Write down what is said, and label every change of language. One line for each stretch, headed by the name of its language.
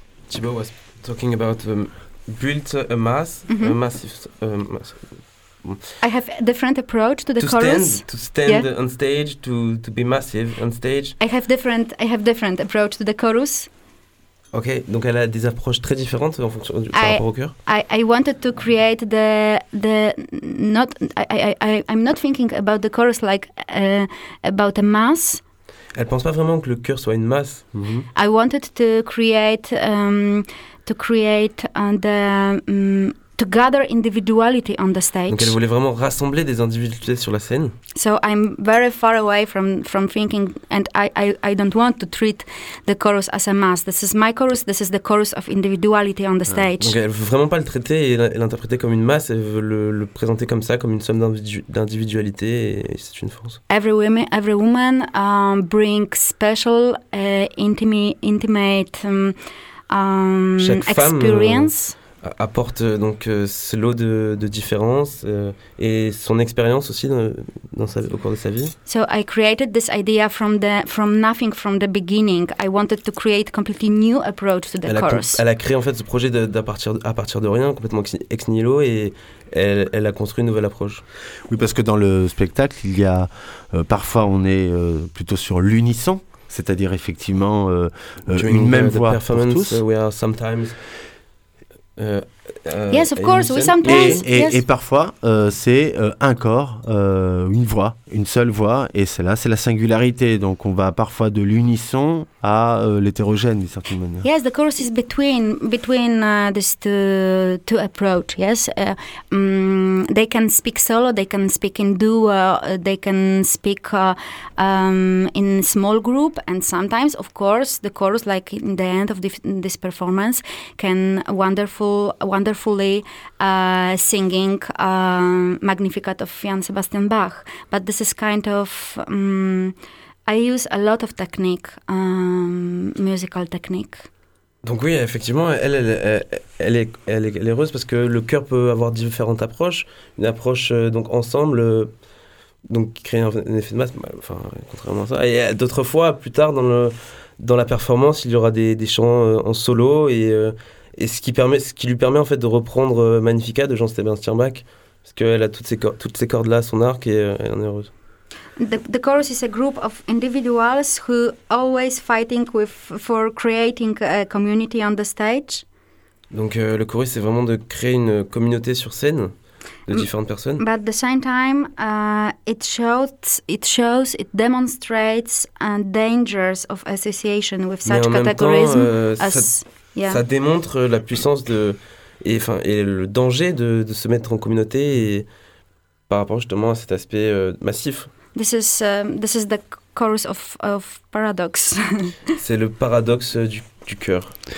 English: Thibaut was talking about built a mass, mm-hmm. a massive... mass. I have a different approach to the to chorus. To stand yeah. on stage, to be massive on stage. I have different approach to the chorus.
French: Ok, donc elle a des approches très différentes en fonction par rapport au cœur.
English: I wanted to create the not I'm not thinking about the chorus like about a mass.
French: Elle pense pas vraiment que le cœur soit une masse. Mm-hmm.
English: I wanted to create to gather individuality on the stage.
French: Donc elle voulait vraiment rassembler des individualités sur la scène.
English: So I'm very far away from thinking, and I don't want to treat the chorus as a mass. This is my chorus. This is the chorus of individuality on the stage.
French: Donc elle veut vraiment pas le traiter et l'interpréter comme une masse. Elle veut le présenter comme ça, comme une somme d'individualité. Et c'est une force.
English: Every woman brings special intimate experience.
French: Apporte donc ce lot de différences et son expérience aussi au cours de sa vie.
English: So I created this idea from nothing, from the beginning. I wanted to create completely new approach to the chorus.
French: Elle a créé en fait ce projet à partir de rien, complètement ex nihilo, et elle a construit une nouvelle approche. Oui, parce que dans le spectacle, il y a parfois on est plutôt sur l'unisson, c'est-à-dire effectivement une même voix pour tous.
English: We are sometimes Yes, of course. We sometimes.
French: Et parfois, c'est un corps, une voix, une seule voix, et c'est là, c'est la singularité. Donc, on va parfois de l'unisson à l'hétérogène, d'une certaine manière.
English: Yes, the course is between these two approach. Yes, they can speak solo, they can speak in duo, they can speak in small group, and sometimes, of course, the chorus, like in the end of this performance, can wonderfully singing Magnificat of Jan Sebastian Bach. But this is kind of I use a lot of technique, musical technique.
French: Donc oui, effectivement, elle est heureuse parce que le chœur peut avoir différentes approches, une approche donc ensemble, donc créer un effet de masse, enfin contrairement à ça. Et d'autres fois, plus tard dans la performance, il y aura des chants en solo et ce qui lui permet en fait de reprendre Magnificat de Jean-Sébastien Bach, parce qu'elle a toutes ses cordes là, son arc, et elle en est heureuse.
English: The chorus is a group of individuals who always fighting for creating a community on the stage.
French: Donc le chorus c'est vraiment de créer une communauté sur scène de différentes personnes.
English: But at the same time, it shows, it demonstrates the dangers of association with such categories.
French: Ça démontre la puissance et le danger de se mettre en communauté et par rapport justement à cet aspect massif.
English: This is the chorus of paradox.
French: C'est le paradoxe du cœur.